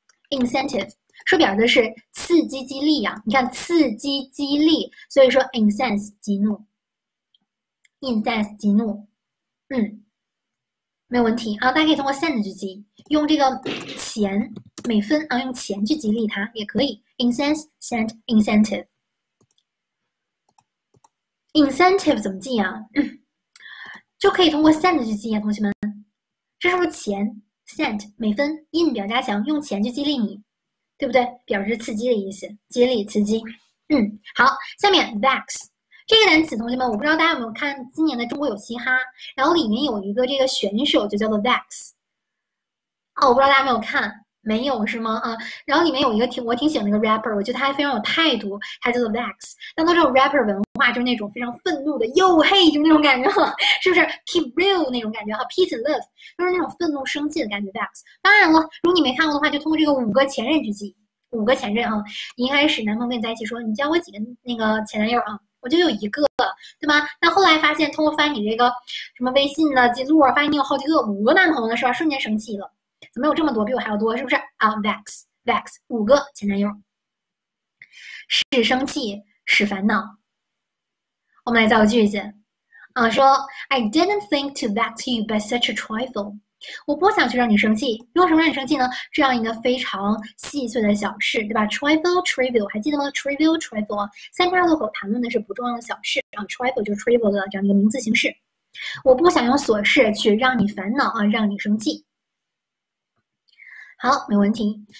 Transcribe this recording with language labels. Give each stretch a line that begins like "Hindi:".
Chinese: incentive 说表的是刺激激励呀、啊，你看刺激激励，所以说 incense 激怒，incense 激怒，没有问题啊，大家可以通过 send 去记，用这个钱每分啊，用钱去激励它也可以。 incense send incentive，incentive 怎么记啊？就可以通过 send 去记啊，同学们，这是不是钱 send 每分 in 表加强，用钱去激励你，对不对？表示刺激的意思，激励刺激。好，下面 vex。这个单词，同学们，我不知道大家有没有看今年的《中国有嘻哈》，然后里面有一个这个选手就叫做 Vex，哦，我不知道大家有没有看，没有是吗？啊，然后里面有一个我挺喜欢那个 rapper，我觉得他还非常有态度，他叫做 Vex。但他这种 rapper 文化就是那种非常愤怒的，哟嘿，就那种感觉，是不是？Keep real 那种感觉哈，
English: peace and love，
Chinese: 就是那种愤怒生气的感觉。 Vex，当然了，如果你没看过的话，就通过这个五个前任去记，五个前任啊。一开始男朋友跟你在一起说，你交过几个那个前男友啊？我就有一个，对吧？那后来发现，通过翻你这个什么微信的记录啊，发现你有好几个五个男朋友的时候，瞬间生气了，怎么有这么多比我还要多？是不是啊？Vex 五个前男友，使生气，使烦恼。我们来造个句子，啊，说
English: I didn't think to vex you by such a trifle。
Chinese: 我不想去让你生气，用什么让你生气呢？这样一个非常细碎的小事，对吧？Trifle, trivial，还记得吗？Trivial, trivial，三叉路口谈论的是不重要的小事，然后 trifle 就是 trivial 的这样一个名词形式。我不想用琐事去让你烦恼啊，让你生气。好，没问题。